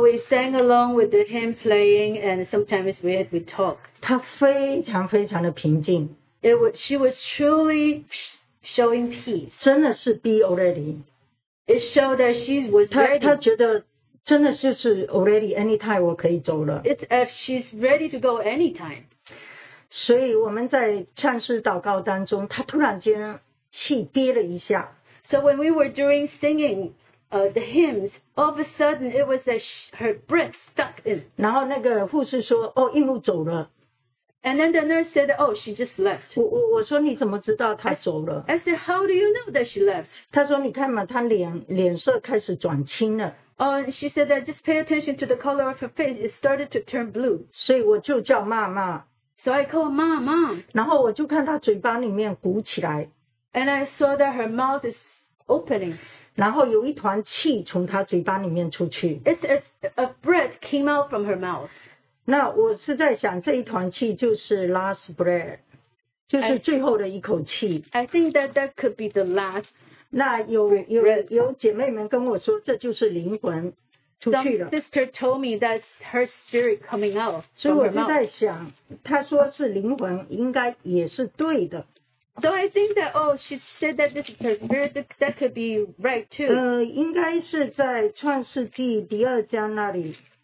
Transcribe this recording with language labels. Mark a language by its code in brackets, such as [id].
[en] we sang along with the hymn playing, and sometimes we talk. [zh] 她非常非常的平静。 [en] It was, she was truly showing peace. [zh] 真的是 [en] be already. It showed that she was ready. [zh] 她觉得真的就是 [en] already anytime [zh] 我可以走了。 [en] It's as she's ready to go anytime. [zh] 所以我们在唱诗祷告当中，她突然间气憋了一下。 [en] So when we were doing singing the hymns, all of a sudden it was that her breath stuck in. [zh] 然后那个护士说，哦，一路走了。 [en] And then the nurse said, oh, she just left. [zh] 我说你怎么知道她走了? [en] I said, how do you know that she left? [zh] 她说你看嘛,她脸色开始转青了。 [en] Oh, she said that just pay attention to the color of her face. It started to turn blue. [zh] 所以我就叫妈妈。 [en] So I called mom, mom. [zh] 然后我就看她嘴巴里面鼓起来。 [en] And I saw that her mouth is opening. [zh] 然后有一团气从她嘴巴里面出去。 [en] It's as a breath came out from her mouth. [zh] 那我是在想这一团气就是 [en] last breath， [zh] 就是最后的一口气。 [en] I think that that could be the last. [zh] 那有姐妹们跟我说，这就是灵魂。 [en] Some sister told me that's her spirit coming out. [zh] 所以我就在想，她说是灵魂，应该也是对的。 [en] So I think that, oh, she said that this is her spirit, that could be right too. [zh] 应该是在创世纪第二章那里。